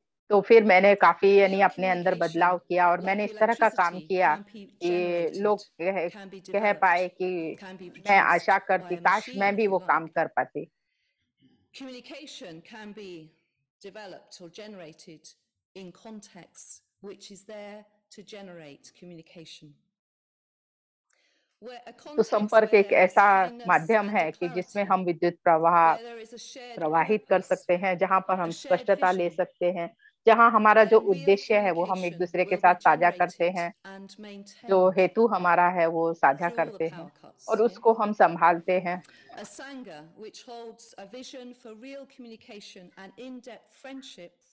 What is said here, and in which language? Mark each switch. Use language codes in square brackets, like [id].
[hi] तो फिर मैंने काफी यानी अपने अंदर बदलाव किया और मैंने इस तरह का काम किया कि लोग कह पाए कि मैं आशा करती काश मैं भी वो काम कर पाती. [en] Communication can be developed or generated in context which is there to generate communication. [hi] तो संपर्क एक ऐसा माध्यम है कि जिसमें हम विद्युत प्रवाह प्रवाहित कर सकते हैं जहां पर हम स्पष्टता ले सकते हैं जहां हमारा जो उद्देश्य है वो हम एक दूसरे के साथ साझा करते हैं जो हेतु हमारा है वो साझा करते हैं और उसको हम संभालते हैं. [en] A sangha which holds a vision for real communication and in-depth friendship.